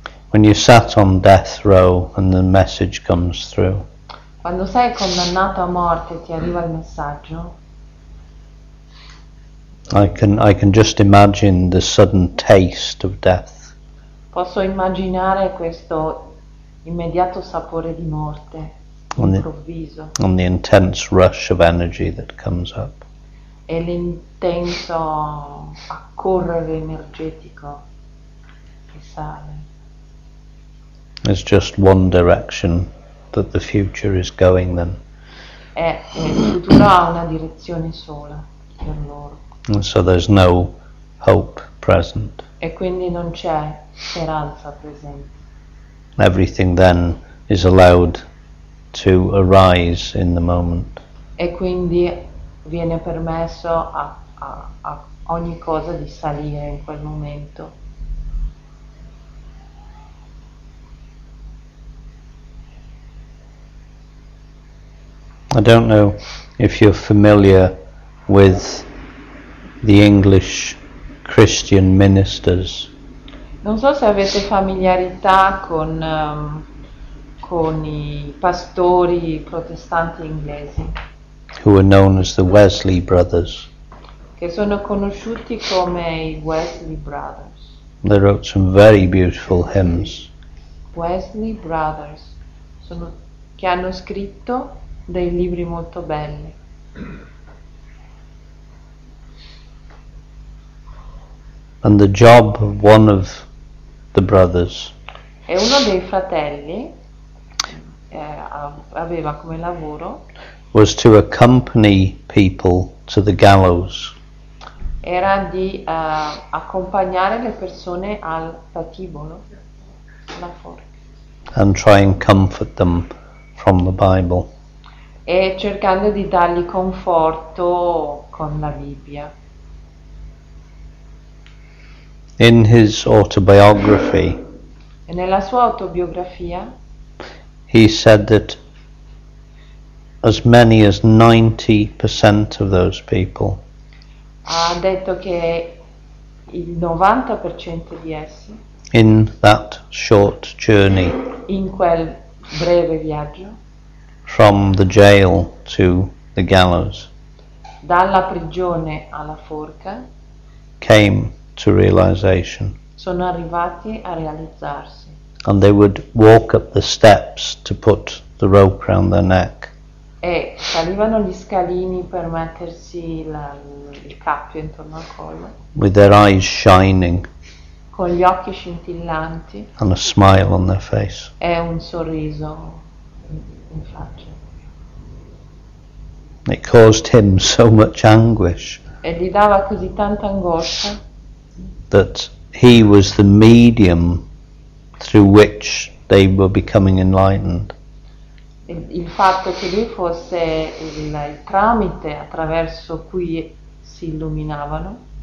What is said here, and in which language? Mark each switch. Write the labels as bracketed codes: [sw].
[en] When you sat on death row and the message comes through. [it] Quando sei condannato a morte ti arriva il messaggio. [en] I can just imagine the sudden taste of death. [it] Posso immaginare questo immediato sapore di morte, improvviso. [en] On the intense rush of energy that comes up. [it] E l'intenso accorrere energetico che sale. [en] It's just one direction that the future is going then. [it] E il futuro ha una direzione sola per loro. [en] And so there's no hope present. [it] E quindi non c'è speranza presente. [en] Everything then is allowed to arise in the moment. [it] E quindi viene permesso a ogni cosa di salire in quel momento. [en] I don't know if you're familiar with the English Christian ministers. [it] Non so se avete familiarità con i pastori protestanti inglesi. [en] Who are known as the Wesley brothers. [it] Che sono conosciuti come i Wesley brothers. [en] They wrote some very beautiful hymns. [it] Wesley brothers sono che hanno scritto dei libri molto belli. [en] And the job of one of the brothers. [it] E uno dei fratelli aveva come lavoro. [en] Was to accompany people to the gallows. [it] Era di accompagnare le persone al patibolo. la forza. [en] And try and comfort them from the Bible. [it] E cercando di dargli conforto con la Bibbia. [en] In his autobiography, [it] e nella sua autobiografia, [en] he said that as many as 90% of those people, [it] ha detto che il 90% di essi, [en] in that short journey, [it] in quel breve viaggio, [en] from the jail to the gallows, [it] dalla prigione alla forca, [en] came to realization. [it] Sono arrivati a realizzarsi. [en] And they would walk up the steps to put the rope round their neck. [it] E salivano gli scalini per mettersi il cappio intorno al collo. [en] With their eyes shining. [it] Con gli occhi scintillanti. [en] And a smile on their face. [it] E un sorriso in faccia. [en] It caused him so much anguish. [it] E gli dava così tanta angoscia. [en] That he was the medium through which they were becoming enlightened. [it] Il fatto che lui fosse il tramite attraverso cui si illuminavano.